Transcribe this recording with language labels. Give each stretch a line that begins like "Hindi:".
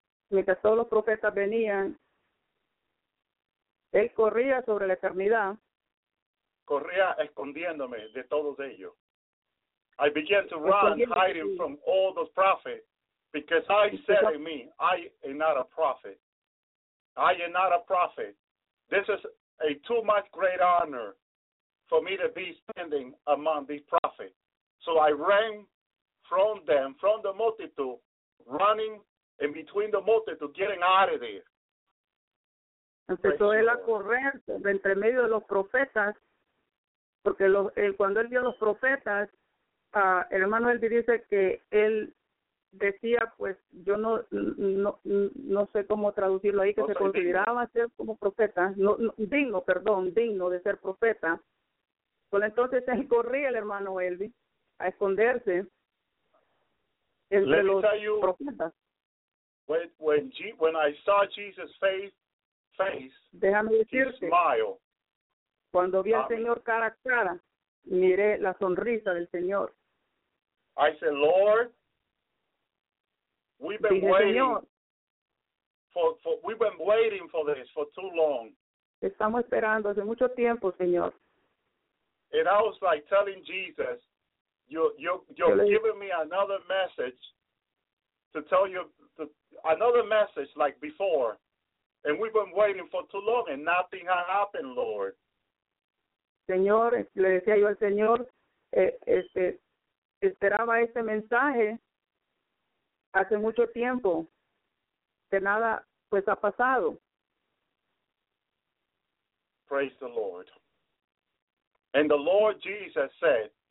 Spanish: Mientras todos los profetas venían, él corría sobre la eternidad. Corría escondiéndome de todos ellos.
English: I began to run, hiding from all those prophets. Because I said in me, I am not a prophet. I am not a prophet. This is a too much great honor for me to be standing among these prophets. So I ran from them, from the multitude, running in between the multitude, getting out of there.
Spanish: Empezó él a correr entre medio de los profetas, porque cuando él vio a los profetas, hermano, él dice que él decía, pues yo no sé cómo traducirlo ahí, que no se consideraba digno ser como profeta, digno de ser profeta. Pues entonces él corría, el hermano Elvis, a esconderse entre los profetas.
English: When I saw Jesus face,
Spanish: déjame decirte,
English: he smiled.
Spanish: Cuando vi al Señor cara a cara, miré la sonrisa del Señor.
English: I said, Lord, we've been waiting for this for too long.
Spanish: Estamos esperando hace mucho tiempo, Señor.
English: And I was like telling Jesus, you're giving me another message to tell you another message like before. And we've been waiting for too long and nothing has happened, Lord.
Spanish: Señor, le decía yo al Señor, esperaba este mensaje hace mucho tiempo, de nada pues ha pasado.
English: Praise the Lord. And the Lord Jesus said,